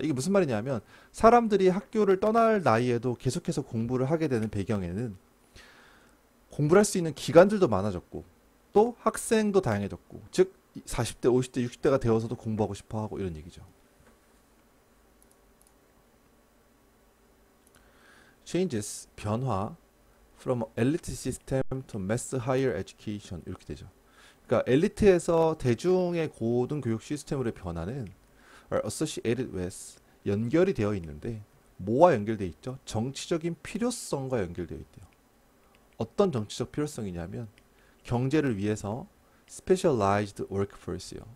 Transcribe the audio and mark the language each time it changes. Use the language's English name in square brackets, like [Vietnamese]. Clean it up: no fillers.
[Korean] 이게 무슨 말이냐면 사람들이 학교를 떠날 나이에도 계속해서 공부를 하게 되는 배경에는 공부할 수 있는 기관들도 많아졌고, 또 학생도 다양해졌고, 즉, 40대, 50대, 60대가 되어서도 공부하고 싶어 하고 이런 얘기죠. [English] Changes, [Korean] 변화, [English] from elite system to mass higher education. [Korean] 이렇게 되죠. 그러니까, 엘리트에서 대중의 고등교육 시스템으로의 변화는 [English] are associated with, [Korean] 연결이 되어 있는데, 뭐와 연결되어 있죠? 정치적인 필요성과 연결되어 있대요. 어떤 정치적 필요성이냐면 경제를 위해서 [English] specialized workforce [Korean] 요.